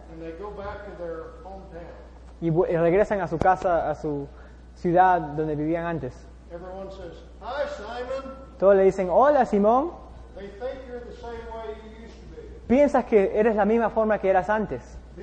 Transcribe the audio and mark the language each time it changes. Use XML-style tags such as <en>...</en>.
<en>And they go back to their hometown.</en> <es>Y regresan a su casa, a su ciudad donde vivían antes.</es> <en>Everyone says, hi, Simon.</en> <es>Todos le dicen, hola, Simón.</es> <en>They think you're the same way you used to be.</en> <es>Piensas que eres la misma forma que eras antes.</es>